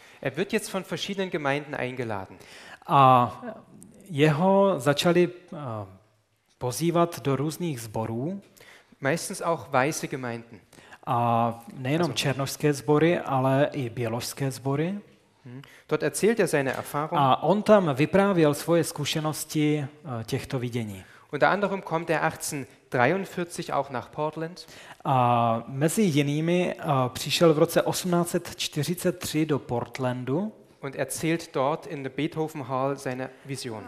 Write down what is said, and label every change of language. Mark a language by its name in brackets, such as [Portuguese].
[German] Er wird jetzt von verschiedenen Gemeinden eingeladen. [Czech] A jeho začali pozývat do různých sborů. [German] Meistens auch weiße Gemeinden. [Czech] A nejenom also, černošské sbory, ale i běložské sbory. [German] Dort erzählt er seine Erfahrung. [Czech] A on tam vyprávěl svoje zkušenosti těchto vidění. [German] Unter anderem kommt er 1843 auch nach Portland. [Czech] A mezi jinými přišel v roce 1843 do Portlandu. [German] Und erzählt dort in the Beethoven Hall seine Vision.